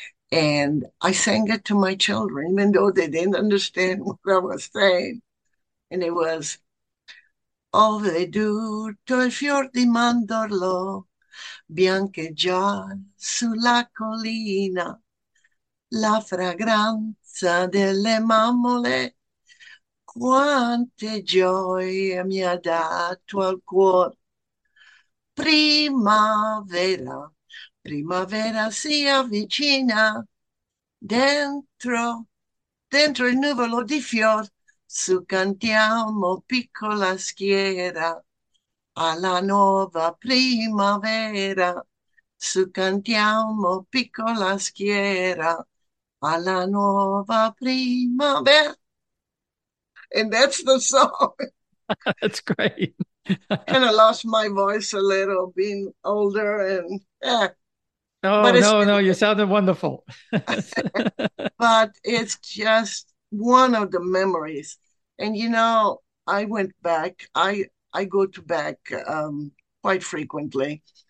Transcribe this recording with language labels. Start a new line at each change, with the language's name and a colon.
English: And I sang it to my children, even though they didn't understand what I was saying. And it was,
Italian: Ove duto il fior di mandorlo, biancheggia sulla collina, la fragranza delle mammole, quante gioie mi ha dato al cuore. Primavera, primavera si avvicina. Dentro il nuvolo di fior, su cantiamo piccola schiera, alla nuova primavera, su cantiamo piccola schiera, alla nuova primavera.
English: And that's the song. That's great. Kind of lost my voice a little being older, and but Oh, it's no, been you great. sounded wonderful. But it's just one of the memories. And I went back. I go to back quite frequently.